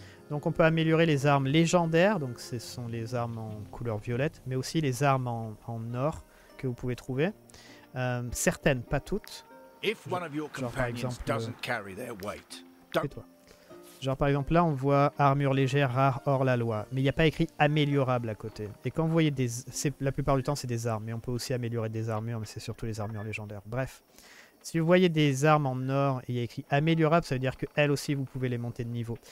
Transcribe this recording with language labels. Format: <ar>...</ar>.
<fr>Donc on peut améliorer les armes légendaires, donc ce sont les armes en couleur violette, mais aussi les armes en or que vous pouvez trouver. Certaines, pas toutes.</fr> <en>If one of your companions doesn't carry their weight, don't.</en> <fr>Genre par exemple là on voit armure légère rare hors la loi, mais il n'y a pas écrit améliorable à côté. Et quand vous voyez des, c'est, la plupart du temps c'est des armes, mais on peut aussi améliorer des armures, mais c'est surtout les armures légendaires. Bref, si vous voyez des armes en or et il y a écrit améliorable, ça veut dire que elles aussi vous pouvez les monter de niveau.</fr>